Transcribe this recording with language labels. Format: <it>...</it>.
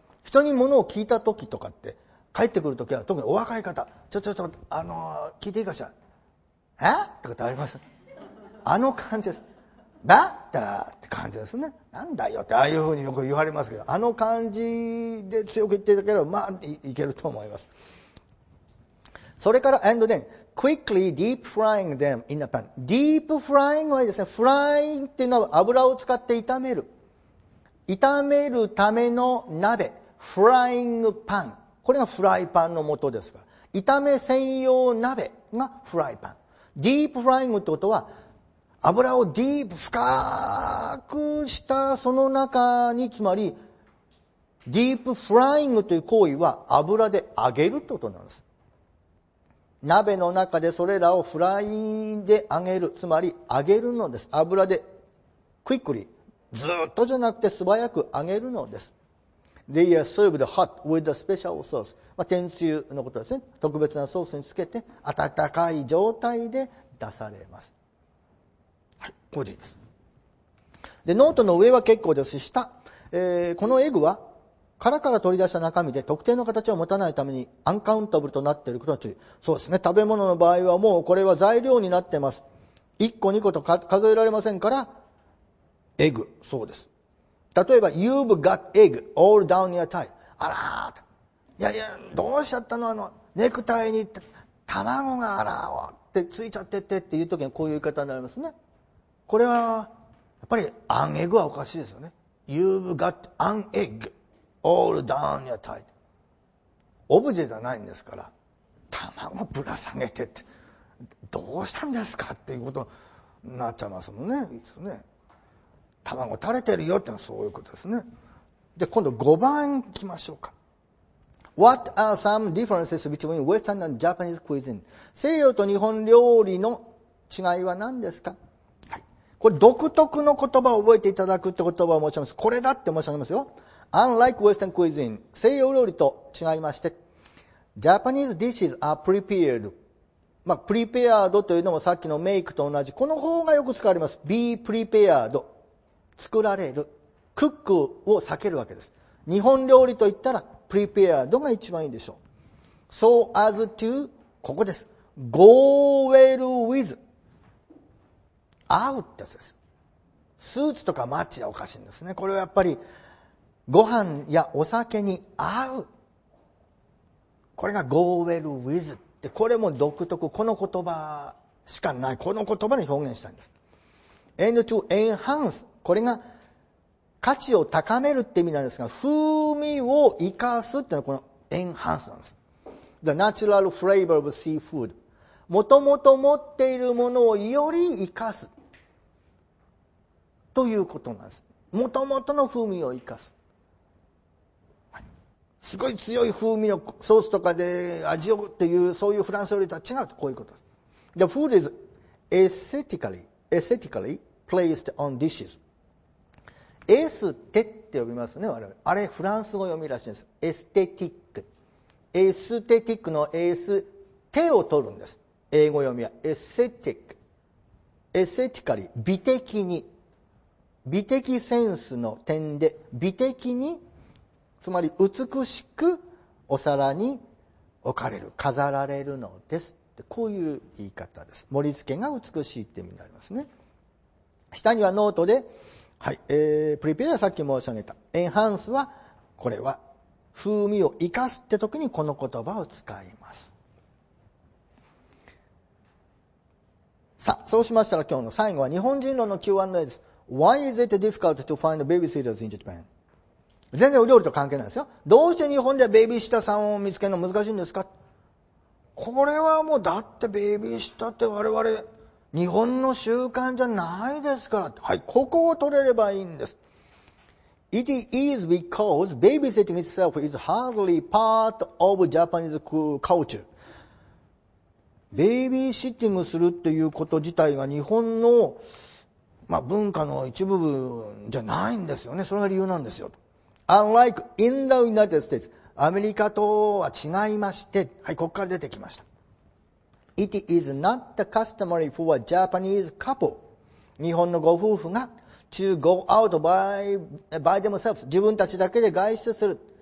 <ja>人に物を聞いた時とかって、帰ってくる時は特にお若い方、ちょ、聞いていいかしら、えってことあります。あの感じです。バッターって感じですね。なんだよって、ああいうふうによく言われますけど、あの感じで強く言っていただければ、まあ、いけると思います。それから、</ja> <en>and then, quickly deep frying them in a pan.</en> <ja>Deep frying はですね、フラインっていうのは油を使って炒める。炒めるための鍋。フライングパン。これがフライパンの元ですから。炒め専用鍋がフライパン。 deep frying ってことは、油をディープ深くしたその中に、つまりディープフライングという行為は油で揚げるということなんです。鍋の中でそれらをフライで揚げる、つまり揚げるのです。油でクイックリ、ずっとじゃなくて素早く揚げるのです。</ja> <en>They are served hot with a special sauce、</en> <ja>まあ、天つゆのことですね。特別なソースにつけて温かい状態で出されます。はい、これでいいです。で、ノートの上は結構ですし、下、このエグは殻から取り出した中身で特定の形を持たないためにアンカウンタブルとなっていることに注意。そうですね、食べ物の場合はもうこれは材料になってます。 1個2個と数えられませんから、エグ、そうです。</ja> <en>例えば You've got egg all down your tie。</en> <ja>あらー、いやどうしちゃったの、ネクタイに卵があらーってついちゃってってっていう時にこういう言い方になりますね。これはやっぱりアンエグはおかしいですよね。</ja> <en>You've got an egg all down your tie。</en> <ja>オブジェじゃないんですから、卵ぶら下げてってどうしたんですかっていうことになっちゃいますもんね。いいですね、卵垂れてるよってのはそういうことですね。で、今度5番いきましょうか。</ja> <en>What are some differences between Western and Japanese cuisine?</en> <ja>西洋と日本料理の違いは何ですか。これ独特の言葉を覚えていただくって言葉を申し上げます。これだって申し上げますよ。</ja> <en>Unlike Western cuisine,</en> <ja>西洋料理と違いまして、</ja> <en>Japanese dishes are prepared。</en> <ja>まあ、prepared というのもさっきのメイクと同じ。この方がよく使われます。 be prepared。 作られる。 cook を避けるわけです。日本料理といったら、prepared が一番いいでしょう。</ja> <en>so as to、</en> <ja>ここです。</ja> <en>go well with。</en> <ja>合うってやつです。スーツとかマッチはおかしいんですね。これはやっぱりご飯やお酒に合う、これが go well with って、これも独特、この言葉しかない、この言葉で表現したんです。</ja> <en>and to enhance、</en> <ja>これが価値を高めるって意味なんですが、風味を生かすっていうのはこの enhance なんです。</ja> <en>the natural flavor of seafood、</en> <ja>もともと持っているものをより生かすということなんです。もともとの風味を生かす、はい、すごい強い風味のソースとかで味をっていう、そういうフランス料理とは違うと、こういうことです。</ja> <en>The food is aesthetically placed on dishes。</en> <ja>エステって呼びますね、我々。あれフランス語読みらしいです。エステティック、エステティックのエス、手を取るんです。英語読みはエステティック、エステティカリ、美的に、美的センスの点で、美的に、つまり美しくお皿に置かれる、飾られるのです、ってこういう言い方です。盛り付けが美しいって意味になりますね。下にはノートで、はい、プリペアはさっき申し上げた、エンハンスはこれは風味を生かすって時にこの言葉を使います。さあ、そうしましたら今日の最後は日本人論の Q&A です。</ja> <en>Why is it difficult to find babysitters in Japan?</en> <ja>全然お料理と関係ないですよ。どうして日本ではベイビーシッターさんを見つけるの難しいんですか？これはもう、だってベイビーシッターって我々、日本の習慣じゃないですから、はい、ここを取れればいいんです。</ja> <en>It is because babysitting itself is hardly part of Japanese culture。</en> <ja>ベイビーシッティングするっていうこと自体が日本の、まあ、文化の一部分じゃないんですよね。それが理由なんですよ。</ja> <en>Unlike in the United States、</en> <ja>アメリカとは違いまして、はい、ここから出てきました。</ja> <en>It is not the customary for a Japanese couple。</en> <ja>日本のご夫婦が</ja> <en>to go out by themselves、</en> <ja>自分たちだけで外出する。</ja>